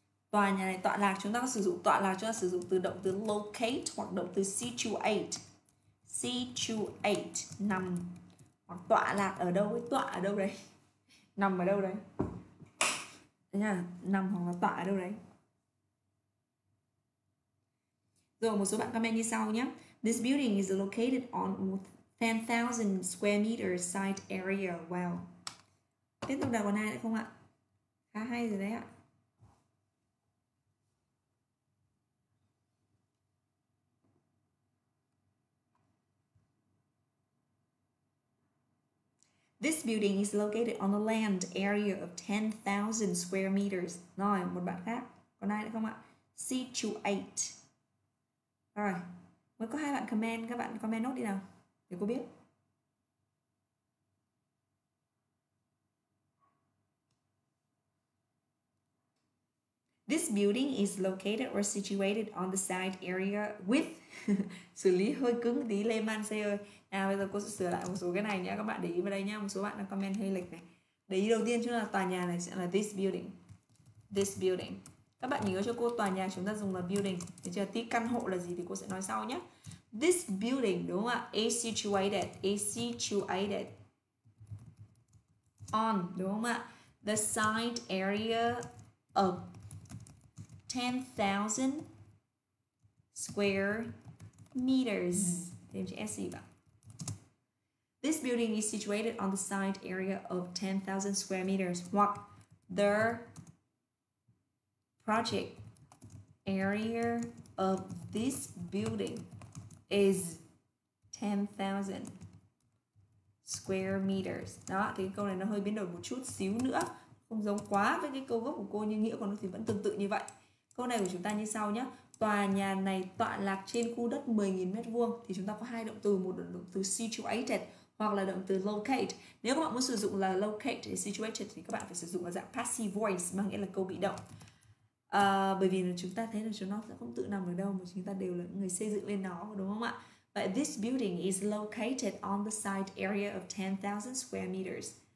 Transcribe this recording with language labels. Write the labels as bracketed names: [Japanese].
[Vietnamese] Tòa nhà này tọa lạc, chúng ta có sử dụng tọa lạc, chúng ta sử dụng từ động từ locate hoặc động từ situate. Situate, nằm hoặc tọa lạc ở đâu ấy, tọa ở đâu đấy, nằm ở đâu đấy, nằm hoặc là tọa ở đâu đấy. Rồi một số bạn comment như sau nhé. [English] This building is located on 10,000 square meter site area. Wow. [Vietnamese] Tiếp tục đọc còn ai nữa không ạ? Khá hay rồi đấy ạ. [English] This building is located on a land area of 10,000 square meters. [Vietnamese] Rồi, một bạn khác. Còn ai nữa không ạ? [English] Situate. [Vietnamese] Rồi, mới có hai bạn comment. Các bạn comment nốt đi nào. Để cô biết. [English] This building is located or situated on the side area with... [Vietnamese] Xử lý hơi cứng tí, Lê Man Xê ơi. À, bây giờ cô sẽ sửa lại một số cái này nhé. Các bạn để ý vào đây nhé. Một số bạn đang comment hơi lệch này. Để ý đầu tiên chúng là tòa nhà này sẽ là [English] this building. This building. [Vietnamese] Các bạn nhớ cho cô tòa nhà chúng ta dùng là building. Để chờ tí căn hộ là gì thì cô sẽ nói sau nhé. [English] This building, [Vietnamese] đúng không ạ? [English] Is situated. Is situated. On, [Vietnamese] đúng không ạ? [English] The side area of 10,000 square meters. [Vietnamese] Thêm chữ S vào. [English] This building is situated on the side area of 10,000 square meters. Hoặc the project area of this building is 10,000 square meters. [Vietnamese] Đó, thì cái câu này nó hơi biến đổi một chút xíu nữa. Không giống quá với cái câu gốc của cô, nhưng nghĩa của nó thì vẫn tương tự như vậy. Câu này của chúng ta như sau nhé. Tòa nhà này tọa lạc trên khu đất 10.000 mét vuông. Thì chúng ta có hai động từ, một động từ situated hoặc là động từ locate. Nếu các bạn muốn sử dụng là locate hay situated thì các bạn phải sử dụng là dạng passive voice, mang nghĩa là câu bị động. Bởi vì là chúng ta thấy là chúng nó sẽ không tự nằm ở đâu mà chúng ta đều là người xây dựng lên nó, đúng không ạ? [English] But this building is located on the side area of 10,000 square meters.